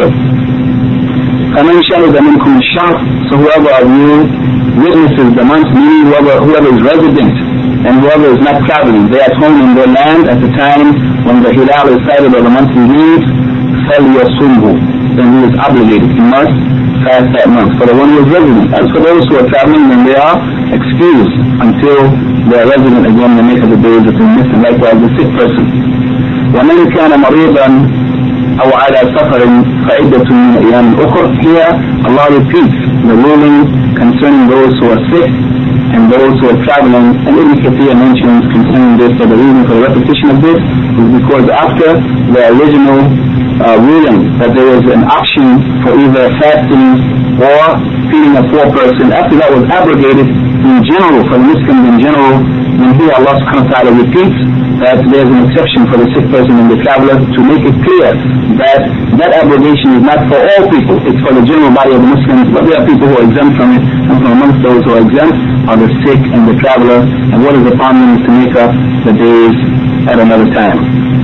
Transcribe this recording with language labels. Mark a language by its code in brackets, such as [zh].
[ar] فَمَنْ شَهِدَ مِنْكُمْ الشَّهْرِ, [en] so whoever of you witnesses the month, meaning whoever is resident and whoever is not traveling, they are at home in their land at the time when the hilal is sighted or the month begins, [ar] فَلْيَصُمْهُ, [en] then he is obligated, he must fast that month, for the one who is resident. As for those who are traveling, then they are excused until they are resident again, they make up the days that they miss, and likewise the sick person. [ar] وَمَنْ كَانَ مَرِيضًا أو على سفر فعدة من أيام أخرى. [en] Here Allah repeats the ruling concerning those who are sick and those who are traveling, and Ibn Kathir mentions concerning this, that the reason for the repetition of this is because after the original ruling that there was an option for either fasting or feeding a poor person, after that was abrogated in general for the Muslims in general, then here Allah subhanahu wa ta'ala repeats that there's an exception for the sick person and the traveler, to make it clear that that abrogation is not for all people, it's for the general body of Muslims, but there are people who are exempt from it, and from amongst those who are exempt are the sick and the traveler, and what is upon them is to make up the days at another time.